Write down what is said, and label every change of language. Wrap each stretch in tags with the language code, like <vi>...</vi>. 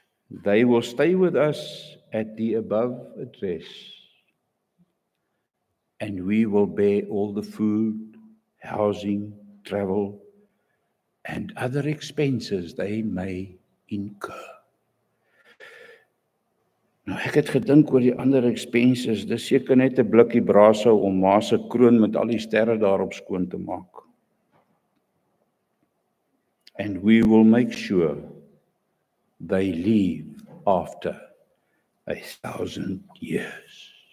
<en>They will stay with us at the above address. And we will bear all the food, housing, travel, and other expenses they may incur.</en> <af>Nou, ek het gedink oor die ander expenses. Dis seker net 'n blikkie braaisou om ma se kroon met al die sterre daarop skoon te maak.</af> <en>And we will make sure they leave after 1,000 years.</en>